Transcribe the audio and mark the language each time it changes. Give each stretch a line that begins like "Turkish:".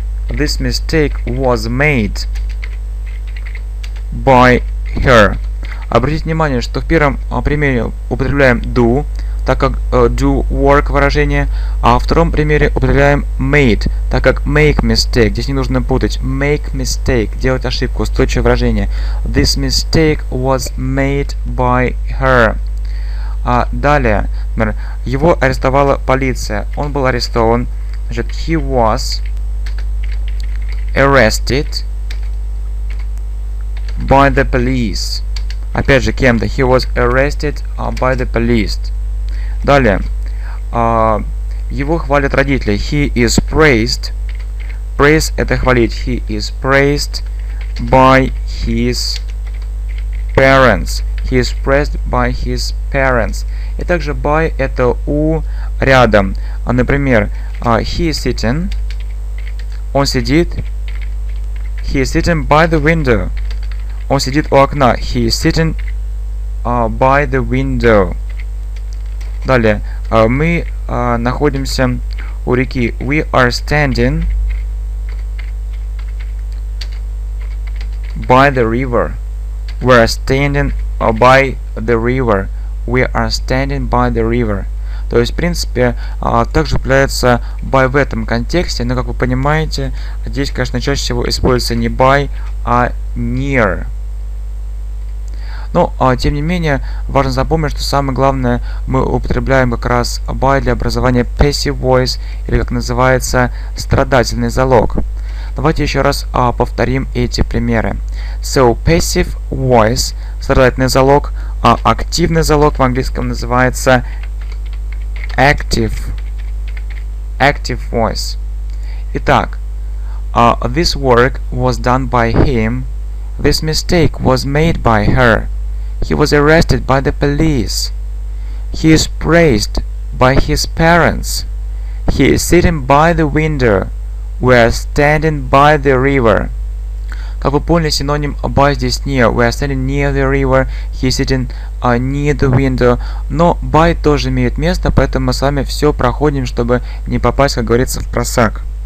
English: This mistake was made by her.
Russian: Обратите внимание, что в первом примере употребляем do, так как
English: do work
Russian: выражение, а во втором примере употребляем made, так как
English: make mistake.
Russian: Здесь не нужно путать.
English: Make mistake,
Russian: делать ошибку, устойчивое выражение.
English: This mistake was made by her.
Russian: А далее, например, его арестовала полиция. Он был арестован. Значит,
English: he was arrested by the police.
Russian: Опять же, кем-то.
English: He was arrested by the police.
Russian: Далее. Его хвалят родители.
English: He is praised. Praise
Russian: – это хвалить.
English: He is praised by his parents. He is praised by his parents.
Russian: И также by – это у, рядом. Например,
English: he is sitting.
Russian: Он сидит.
English: He is sitting by the window.
Russian: Он сидит у окна.
English: He is sitting by the window.
Russian: Далее. Мы находимся у реки.
English: We are standing by the river. We are standing by the river. We are standing by the river.
Russian: То есть, в принципе, также появляется by в этом контексте, но, как вы понимаете, здесь, конечно, чаще всего используется не by, а near. Но, тем не менее, важно запомнить, что самое главное, мы употребляем как раз by для образования
English: passive voice,
Russian: или как называется, страдательный залог. Давайте еще раз повторим эти примеры.
English: So, passive voice,
Russian: страдательный залог, а активный залог в английском называется
English: active voice.
Russian: Итак,
English: this work was done by him, this mistake was made by her. He was arrested by the police. He is praised by his parents. He is sitting by the window. We are standing by the river.
Russian: Как вы поняли, синоним by здесь near.
English: We are standing near the river. He is sitting near the window.
Russian: Но by тоже имеет место, поэтому мы с вами все проходим, чтобы не попасть, как говорится, впросак.